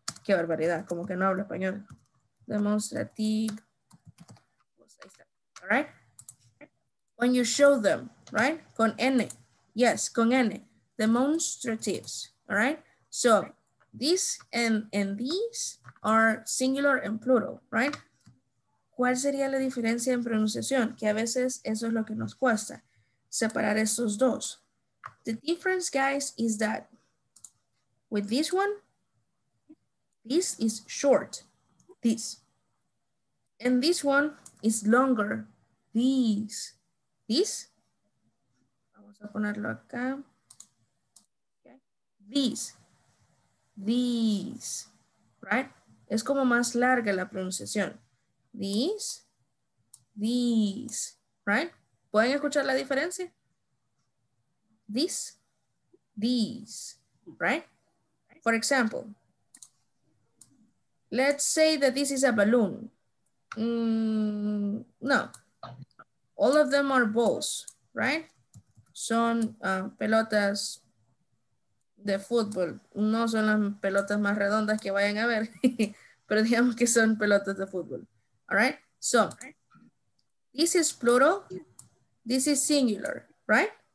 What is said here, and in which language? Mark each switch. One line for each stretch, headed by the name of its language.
Spanish: Qué barbaridad, como que no hablo español. Demonstrativos, ahí está. All right?
English: When you show them, right? Con N. Yes, con N. Demonstratives, all right? So, this and these are singular and plural, right?
Spanish: ¿Cuál sería la diferencia en pronunciación? Que a veces eso es lo que nos cuesta, separar estos dos.
English: The difference, guys, is that with this one, this is short, this. And this one is longer, these, this.
Spanish: Vamos a ponerlo acá. Okay.
English: These, right?
Spanish: Es como más larga la pronunciación.
English: These, right?
Spanish: ¿Pueden escuchar la diferencia?
English: These, right? For example, let's say that this is a balloon. No, all of them are balls, right?
Spanish: Son pelotas de fútbol, no son las pelotas más redondas que vayan a ver, pero digamos que son pelotas de fútbol.
English: All right, so this is plural, this is singular, right?